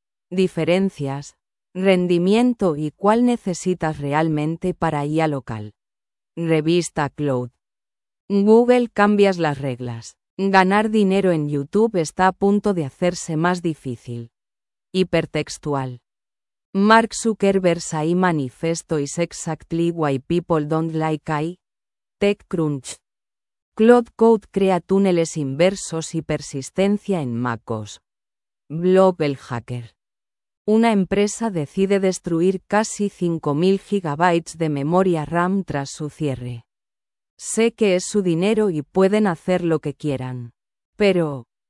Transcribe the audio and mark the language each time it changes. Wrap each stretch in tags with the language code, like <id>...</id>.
<es>Diferencias. Rendimiento y cuál necesitas realmente para IA local. Revista Cloud. Google cambias las reglas. Ganar dinero en YouTube está a punto de hacerse más difícil. Hipertextual.</es> <en>Mark Zuckerberg's AI manifesto is exactly why people don't like AI. TechCrunch.</en> <es>Cloud Code crea túneles inversos y persistencia en MacOS. Blog El Hacker. Una empresa decide destruir casi 5.000 GB de memoria RAM tras su cierre. Sé que es su dinero y pueden hacer lo que quieran. Pero...</es>